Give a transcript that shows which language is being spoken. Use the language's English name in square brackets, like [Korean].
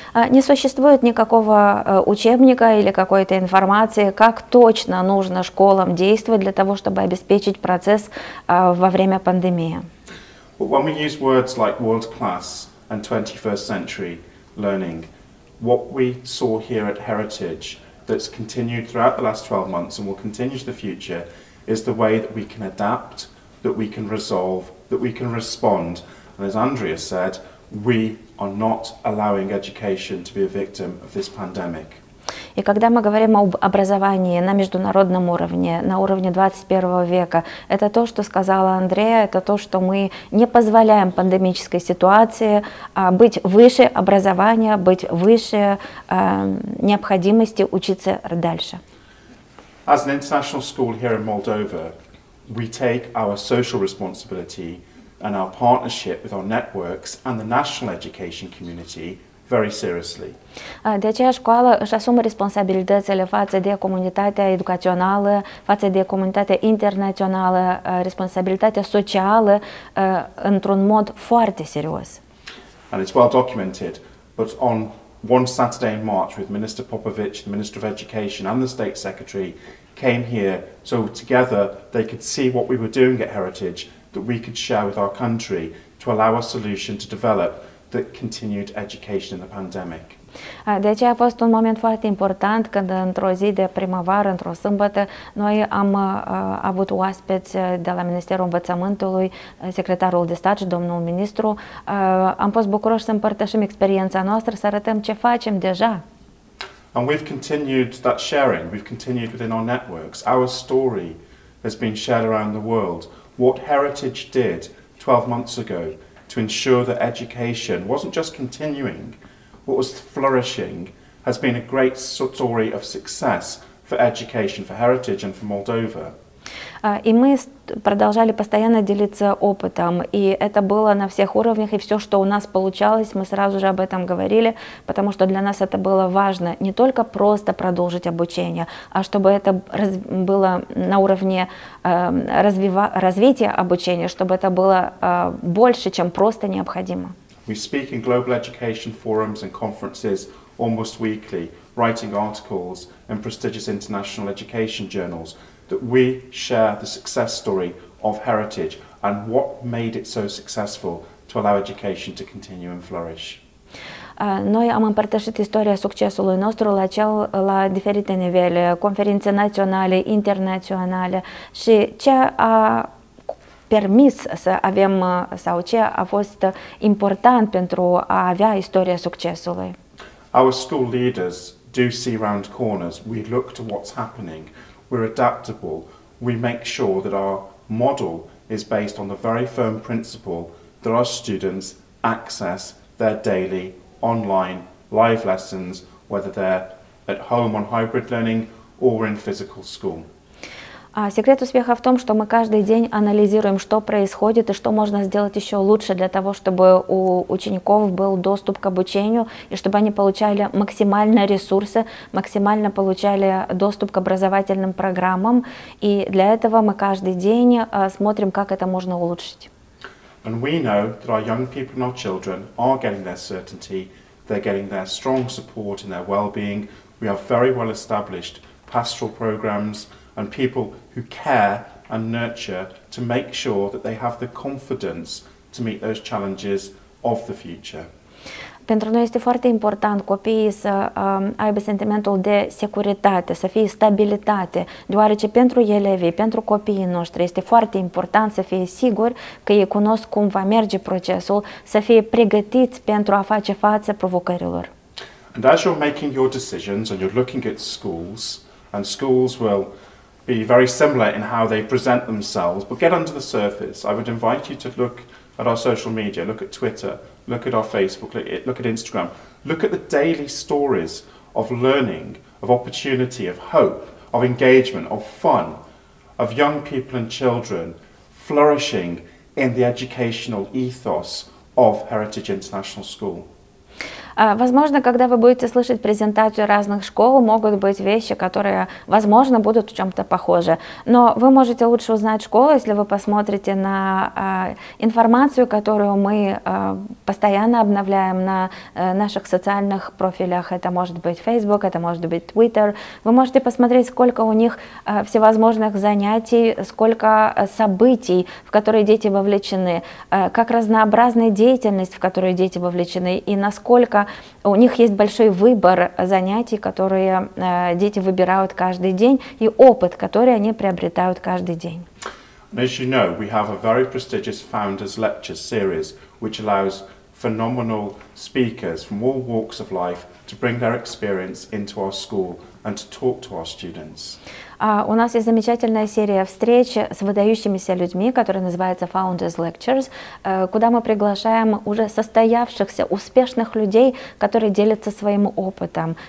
[Russian] Не существует никакого учебника или какой-то информации, как точно нужно школам действовать для того, чтобы обеспечить процесс во время пандемии. [English] But when we use words like world class and 21st century learning, what we saw here at Heritage that's continued throughout the last 12 months and will continue to the future is the way that we can adapt, that we can resolve, that we can respond. And as Andrea said, we are not allowing education to be a victim of this pandemic. [Russian] И когда мы говорим об образовании на международном уровне, на уровне 21 века, это то, что сказала Андрея, это то, что мы не позволяем пандемической ситуации быть выше образования, быть выше необходимости учиться дальше. [English] As an international school here in Moldova, we take our social responsibility and our partnership with our networks and the national education community very seriously. [Romanian] De aceea școala își asumă responsabilitățile față de comunitatea educațională, față de comunitatea internațională, responsabilitatea socială într-un mod foarte serios. [English] And it's well documented, but on one Saturday in March with Minister Popovic, the Minister of Education and the State Secretary came here so together they could see what we were doing at Heritage that we could share with our country to allow a solution to develop that continued education in the pandemic. [Romanian] De aceea a fost un moment foarte important când într-o zi de primăvară, într-o sâmbătă, noi am avut oaspeți de la Ministerul Învățământului, secretarul de stat și domnul ministru. Am fost bucuroși să împărtășim experiența noastră, să arătăm ce facem deja. [English] And we've continued that sharing. We've continued within our networks. Our story has been shared around the world. What Heritage did 12 months ago to ensure that education wasn't just continuing, but was flourishing, has been a great story of success for education, for Heritage and for Moldova. [Russian] И мы продолжали постоянно делиться опытом, и это было на всех уровнях, и все, что у нас получалось, мы сразу же об этом говорили, потому что для нас это было важно не только просто продолжить обучение, а чтобы это было на уровне развития обучения, чтобы это было больше, чем просто необходимо. [English] We speak in global education forums and conferences almost weekly, writing articles in prestigious international education journals, that we share the success story of Heritage and what made it so successful to allow education to continue and flourish. [Romanian] Noi am împărtășit istoria succesului nostru la diferite nivele, conferințe naționale, internaționale și ce a permis să avem sau ce a fost important pentru a avea istoria succesului. [English] Our school leaders do see round corners. We look to what's happening. We're adaptable. We make sure that our model is based on the very firm principle that our students access their daily online live lessons, whether they're at home on hybrid learning or in physical school. [Russian] Секрет успеха в том, что мы каждый день анализируем, что происходит и что можно сделать еще лучше для того, чтобы у учеников был доступ к обучению и чтобы они получали максимально ресурсы, максимально получали доступ к образовательным программам. И для этого мы каждый день смотрим, как это можно улучшить. [English] And we know that our young people and our children are getting their certainty, they're getting their strong support and their well-being. We have very well established pastoral programs and people who care and nurture to make sure that they have the confidence to meet those challenges of the future. [Romanian] Pentru noi este foarte important copiii să aibă sentimentul de securitate, să fie stabilitate, deoarece pentru elevii, pentru copiii noștri, este foarte important să fie siguri că ei cunosc cum va merge procesul, să fie pregătiți pentru a face față provocărilor. [English] And as you're making your decisions and you're looking at schools, and schools will be very similar in how they present themselves, but get under the surface. I would invite you to look at our social media, look at Twitter, look at our Facebook, look at Instagram. Look at the daily stories of learning, of opportunity, of hope, of engagement, of fun, of young people and children flourishing in the educational ethos of Heritage International School. [Russian] Возможно, когда вы будете слышать презентацию разных школ, могут быть вещи, которые, возможно, будут в чем-то похожи. Но вы можете лучше узнать школу, если вы посмотрите на информацию, которую мы постоянно обновляем на наших социальных профилях. Это может быть Facebook, это может быть Twitter. Вы можете посмотреть, сколько у них всевозможных занятий, сколько событий, в которые дети вовлечены, как разнообразная деятельность, в которую дети вовлечены, и насколько у них есть большой выбор занятий, которые дети выбирают каждый день, и опыт, который они приобретают каждый день. [English] As you know, we have a very prestigious Founders Lecture Series, which allows phenomenal speakers from all walks of life to bring their experience into our school and to talk to our students. [Russian] У нас есть замечательная серия встреч с выдающимися людьми, которая называется Founders Lectures, куда мы приглашаем уже состоявшихся, успешных людей, которые делятся своим опытом.